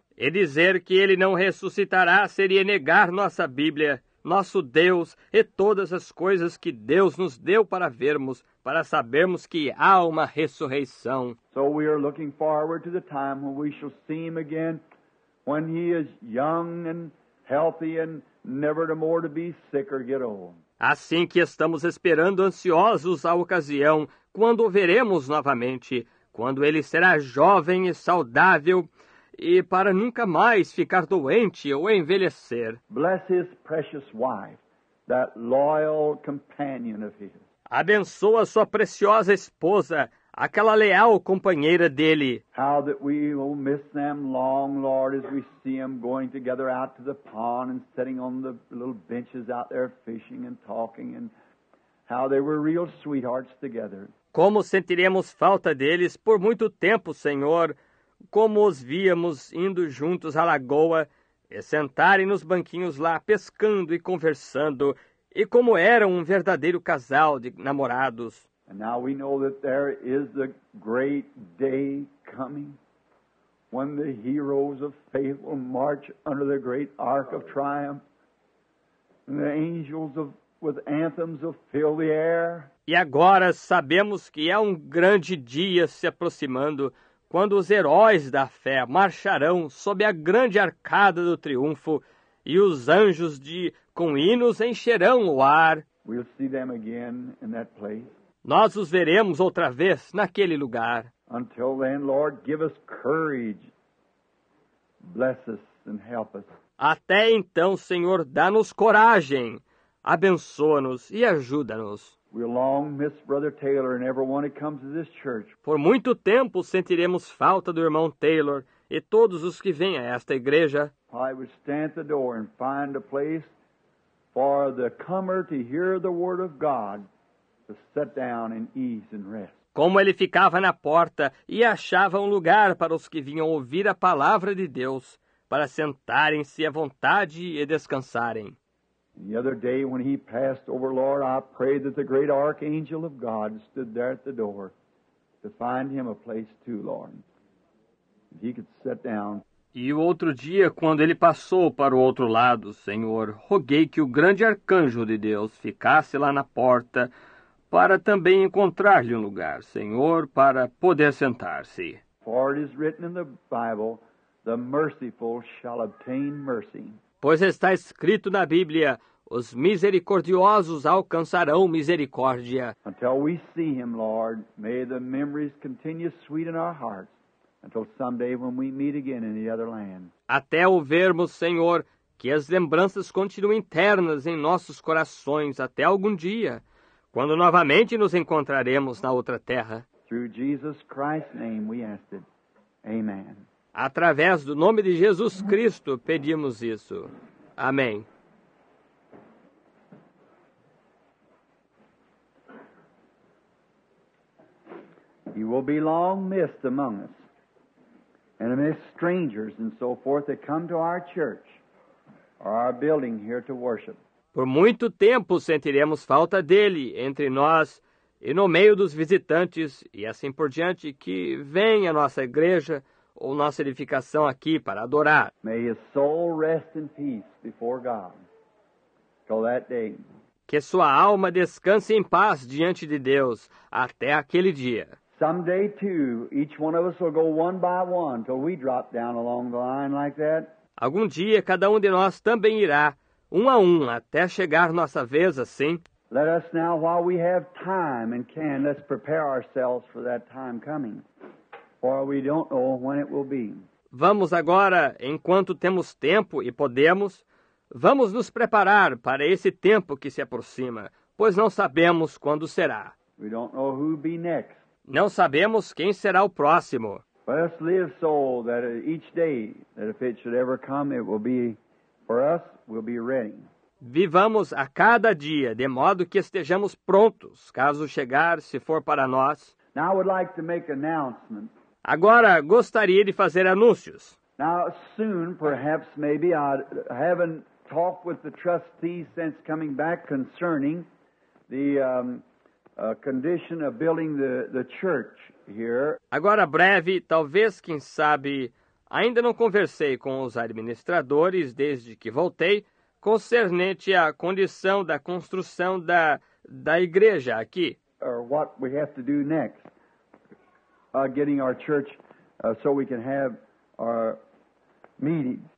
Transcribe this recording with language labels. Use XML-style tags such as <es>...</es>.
<pt>dizer que ele não ressuscitará seria negar nossa Bíblia, nosso Deus e todas as coisas que Deus nos deu para vermos, para sabermos que há uma ressurreição.</pt> <en>So we are looking forward to the time when we shall see him again, when he is young and healthy and never to more to be sick or get old.</en> <pt>Assim que estamos esperando ansiosos a ocasião, quando o veremos novamente, quando ele será jovem e saudável, e para nunca mais ficar doente ou envelhecer.</pt> <en>Bless his precious wife, that loyal companion of his.</en> <pt>Abençoa sua preciosa esposa, aquela leal companheira dele.</pt> <en>How that we will miss them long, Lord, as we see them going together out to the pond and sitting on the little benches out there fishing and talking, and how they were real sweethearts together.</en> <pt>Como sentiremos falta deles por muito tempo, Senhor, como os víamos indo juntos à lagoa e sentarem nos banquinhos lá pescando e conversando. E como eram um verdadeiro casal de namorados.</pt> <en>And now we know that there is a great day coming when the heroes of faith will march under the great ark of triumph and the angels of, with anthems will fill the air.</en> <pt>E agora sabemos que há um grande dia se aproximando quando os heróis da fé marcharão sob a grande arcada do triunfo e os anjos de com hinos encherão o ar.</pt> <en>We'll see them again in that place.</en> <pt>Nós os veremos outra vez naquele lugar.</pt> <en>Until then, Lord, give us courage. Bless us and help us.</en> <pt>Até então, Senhor, dá-nos coragem, abençoa-nos e ajuda-nos.</pt> <en>We'll long miss Brother Taylor and everyone who comes to this church.</en> <pt>Por muito tempo sentiremos falta do irmão Taylor e todos os que vêm a esta igreja.</pt> <en>I would stand at the door and find a place for the comer to hear the word of God to sit down in ease and rest.</en> <pt>Como ele ficava na porta e achava um lugar para os que vinham ouvir a palavra de Deus para sentarem-se à vontade e descansarem.</pt> <en>The other day when he passed over, Lord, I prayed that the great archangel of God stood there at the door to find him a place too, Lord. That he could sit down.</en> <pt>E o outro dia, quando ele passou para o outro lado, Senhor, roguei que o grande arcanjo de Deus ficasse lá na porta para também encontrar-lhe um lugar, Senhor, para poder sentar-se.</pt> <en>For it is written in the Bible, the merciful shall obtain mercy.</en> <pt>Pois está escrito na Bíblia, os misericordiosos alcançarão misericórdia.</pt> <en>Until we see him, Lord, may the memories continue sweet in our hearts. Until someday when we meet again in the other land.</en> <pt>Até o vermos, Senhor, que as lembranças continuem internas em nossos corações até algum dia, quando novamente nos encontraremos na outra terra.</pt> <en>Through Jesus Christ's name we ask it. Amen.</en> <pt>Através do nome de Jesus Cristo pedimos isso. Amém.</pt> <en>You will be long missed among us, and amidst strangers and so forth that come to our church or our building here to worship.</en> <pt>Por muito tempo sentiremos falta dele entre nós e no meio dos visitantes e assim por diante que vem à nossa igreja ou nossa edificação aqui para adorar.</pt> <en>May his soul rest in peace before God till that day.</en> <pt>Que sua alma descanse em paz diante de Deus até aquele dia.</pt> <en>Someday too, each one of us will go one by one till we drop down along the line like that.</en> <pt>Algum dia, cada um de nós também irá, um a um, até chegar nossa vez assim.</pt> <en>Let us now, while we have time and can, let's prepare ourselves for that time coming, for we don't know when it will be.</en> <pt>Vamos agora, enquanto temos tempo e podemos, vamos nos preparar para esse tempo que se aproxima, pois não sabemos quando será.</pt> <en>We don't know who be next.</en> <pt>Não sabemos quem será o próximo.</pt> <en>Let us live so that each day, that if it should ever come, it will be for us, we'll be ready.</en> <pt>Vivamos a cada dia, de modo que estejamos prontos, caso chegar, se for para nós.</pt> <en>Now I would like to make announcement.</en> <pt>Agora, gostaria de fazer anúncios.</pt> <en>Now, soon, perhaps, maybe, I haven't talked with the trustees since coming back concerning the condition of building the church. Here.</en> <pt>Agora breve, talvez, quem sabe, ainda não conversei com os administradores desde que voltei, concernente à condição da construção da igreja aqui.</pt> <en>Or what we have to do next, getting our church so we can have our meeting.</en>